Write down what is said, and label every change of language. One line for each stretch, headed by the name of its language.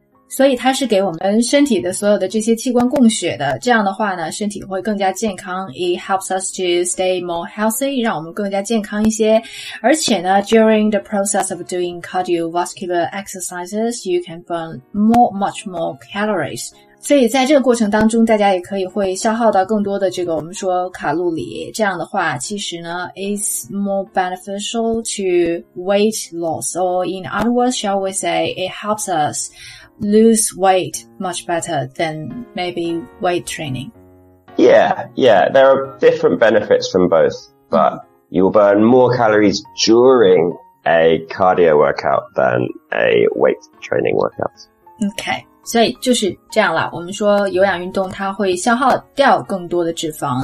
Chinese: 所以它是给我们身体的所有的这些器官供血的。这样的话呢，身体会更加健康。
English: It helps us to stay more healthy,
Chinese: 让我们更加健康一些。而且呢
English: ，during the process of doing cardiovascular exercises, you can burn much more calories.
Chinese: 所以在这个过程当中，大家也可以会消耗到更多的这个我们说卡路里。这样的话，其实呢
English: ，is more beneficial to weight loss, or in other words, shall we say, it helps us. Lose weight much better than maybe weight training. Yeah, yeah, there are different benefits from both, but you'll burn more calories during a cardio workout than a weight training workout. Okay.
Chinese: 所以就是这样了，我们说有氧运动它会消耗掉更多的脂肪。